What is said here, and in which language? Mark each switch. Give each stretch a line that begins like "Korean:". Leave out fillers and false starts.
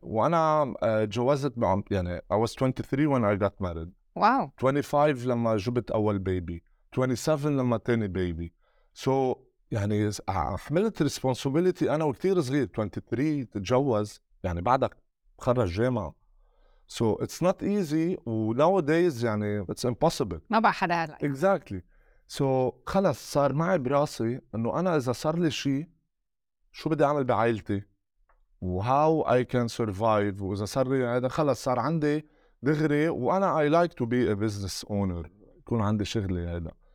Arabic: وأنا جوزت يعني
English: I was 23 when I got married. Wow. Wow.
Arabic: 25 لما جبت أول بيبي. 27 لما تاني بيبي. So يعني حملت responsibility أنا وكتير صغير 23 تتجوز يعني بعدك خرج جامعة.
English: So it's not easy و nowadays يعني it's impossible.
Arabic: ما بقى حدا هلا.
English: Exactly.
Arabic: So خلص صار معي براسي إنه أنا إذا صار لي شيء شو بدي أعمل بعائلتي؟
English: وهاو I can survive.
Arabic: واذا صار هذا خلص صار عندي دغري وانا
English: I like to be a business owner,
Arabic: يكون عندي شغلي هذا.